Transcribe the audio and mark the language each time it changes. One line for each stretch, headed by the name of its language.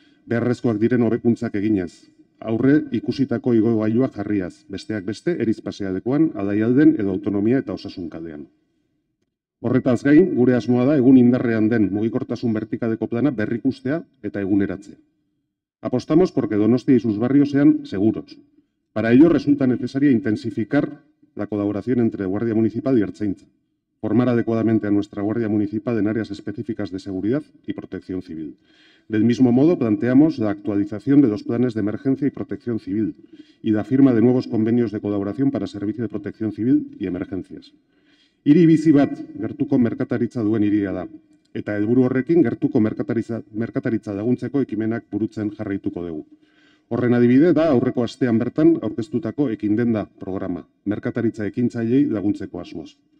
Basque: Beharrezkoak diren hobekuntzak eginez, aurre ikusitako igogailua jarriaz, besteak beste erizpasealdekoan, Adaialden edo autonomia eta osasunkaldean. Horretaz gain, gure asmoa da egun indarrean den mugikortasun bertikaleko plana berrikustea eta eguneratzea.
Spanish: Apostamos porque Donostia y sus barrios sean seguros. Para ello resulta necesaria intensificar la colaboración entre Guardia Municipal y Ertzaintza, formar adecuadamente a nuestra Guardia Municipal en áreas específicas de seguridad y protección civil. Del mismo modo, planteamos la actualización de los planes de emergencia y protección civil y la firma de nuevos convenios de colaboración para servicio de protección civil y emergencias.
Basque: Hiri bizi bat gertuko merkataritza duen hiria da, eta helburu horrekin gertuko merkataritza laguntzeko ekimenak burutzen jarraituko dugu. Horren adibide da aurreko astean bertan aurkeztutako ekindenda programa, merkataritza ekintzailei laguntzeko asmoz.